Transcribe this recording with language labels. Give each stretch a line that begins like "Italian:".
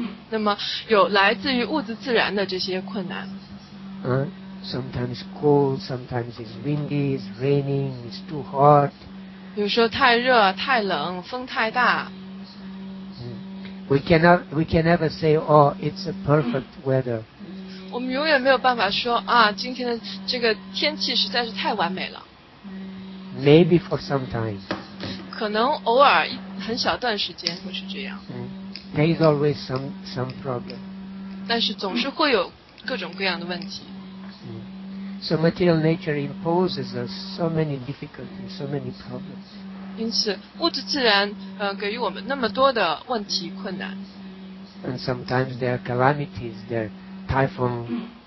Chinese: 那么有来自于物质自然的这些困难。
English: Sometimes cold, sometimes it's windy, it's raining, it's too hot.
Chinese: 有时候太热、太冷、风太大。
English: We can never say, oh, it's a perfect weather.
Chinese: 我们永远没有办法说啊，今天的这个天气实在是太完美了。
English: Maybe for some time.
Chinese: 可能偶尔很小段时间会是这样。
English: There is always some problem.
Chinese: 但是总是会有各种各样的问题。
English: So material nature imposes us so many difficulties, so many problems.
Chinese: 因此，物质自然给予我们那么多的问题困难。
English: And sometimes there are calamities, there are typhoon.